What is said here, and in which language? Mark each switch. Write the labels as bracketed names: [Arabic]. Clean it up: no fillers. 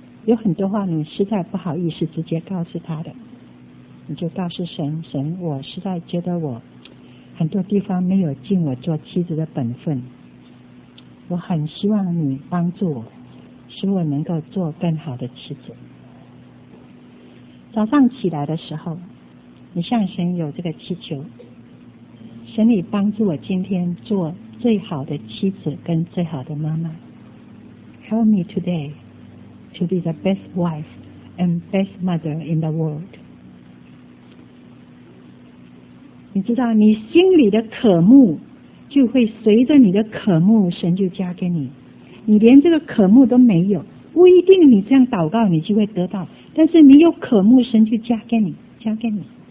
[Chinese] 有很多话你实在不好意思直接告诉他的，你就告诉神，神，我实在觉得我很多地方没有尽我做妻子的本分，我很希望你帮助我，使我能够做更好的妻子。早上起来的时候，你向神有这个祈求，神，你帮助我今天做最好的妻子跟最好的妈妈。 [English] Help me today to be the best wife and best mother in the world。 [Chinese] 你知道，你心里的渴慕，就会随着你的渴慕，神就加给你。你连这个渴慕都没有，不一定你这样祷告你就会得到，但是你有渴慕，神就加给你，加给你。